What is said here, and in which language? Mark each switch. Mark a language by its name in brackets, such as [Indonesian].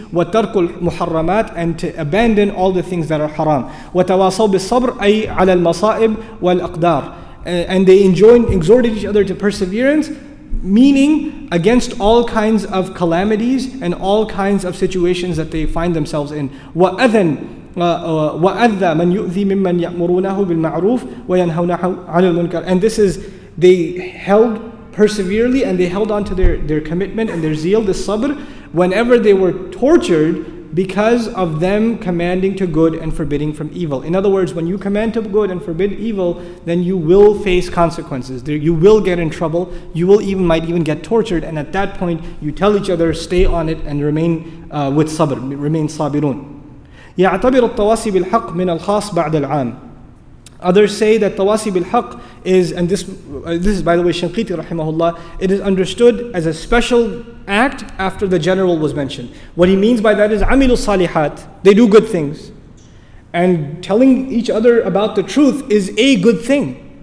[Arabic] Wa tarkul muharramat, [English] and to abandon all the things that are haram. [Arabic] Wa tawasaw bis-sabr ay 'ala al-masa'ib wal-aqdar, [English] and they enjoined, exhorted each other to perseverance, meaning against all kinds of calamities and all kinds of situations that they find themselves in. [Arabic] Wa adhan وَأَذَّى مَنْ يُؤْذِي مِمَّنْ يَأْمُرُونَهُ بِالْمَعْرُوفِ وَيَنْهَوْنَهُ عَنِ الْمُنْكَرِ. [English] And this is, they held perseverely and they held on to their commitment and their zeal, the sabr, whenever they were tortured because of them commanding to good and forbidding from evil. In other words, when you command to good and forbid evil, then you will face consequences. You will get in trouble. You will even might even get tortured. And at that point, you tell each other, stay on it and remain with sabr, remain sabirun. [Arabic] يعتبر التواصي بالحق من الخاص بعد العام. [English] Others say that tawasi bilhaq is, and this is by the way Shinqiti rahimahullah, it is understood as a special act after the general was mentioned. What he means by that is amilu salihat, they do good things, and telling each other about the truth is a good thing.